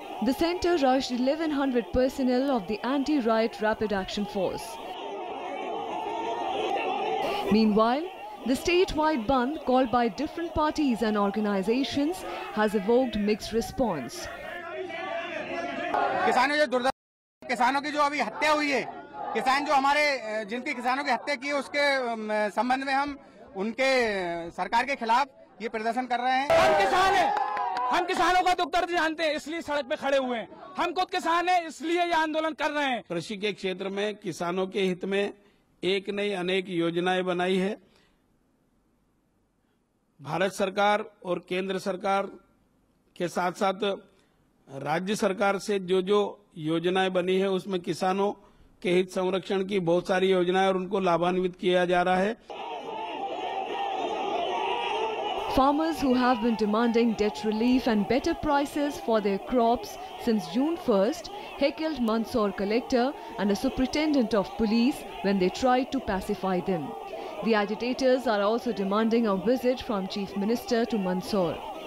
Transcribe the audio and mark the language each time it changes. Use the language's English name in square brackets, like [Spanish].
[English] The centre rushed 1,100 personnel of the Anti-Riot Rapid Action Force. Meanwhile, the statewide bund called by different parties and organisations has evoked mixed response. [Hindi] किसानों जो दुर्दशा, किसानों की जो अभी हत्या हुई है, किसान जो हमारे जिनके किसानों की हत्या की है उसके संबंध में हम उनके सरकार के खिलाफ ये प्रदर्शन कर रहे हैं। हम किसान हैं, हम किसानों का दुख दर्द जानते हैं, इसलिए सड़क पे खड़े हुए हैं। हम खुद किसान हैं, इसलिए ये आंदोलन कर रहे हैं। कृषि के क्षेत्र में किसानों के हित में एक नई अनेक योजनाएं बनाई है। भारत सरकार और केंद्र सरकार के साथ साथ राज्य सरकार से जो जो योजनाएं बनी है उसमें किसानों के हित संरक्षण की बहुत सारी योजनाएं और उनको लाभान्वित किया जा रहा है। [English] Farmers who have been demanding debt relief and better prices for their crops since June 1st heckled Mandsaur collector and a superintendent of police when they tried to pacify them. The agitators are also demanding a visit from Chief Minister to Mandsaur.